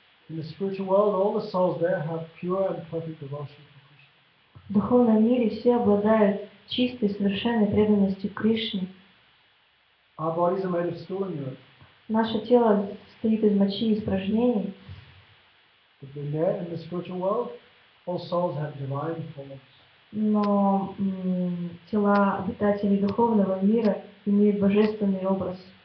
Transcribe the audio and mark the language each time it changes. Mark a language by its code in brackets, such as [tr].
[en] In the spiritual world, all the souls there have pure and perfect devotion to Krishna. [ru] В духовном мире все обладают чистой, совершенной преданностью к Кришне. [en] Our bodies are made of stool in Europe. [ru] Наше тело состоит из мочи и испражнений. [en] But there, in the spiritual world, all souls have divine forms. [ru] Но тела обитателей духовного мира имеют божественный образ.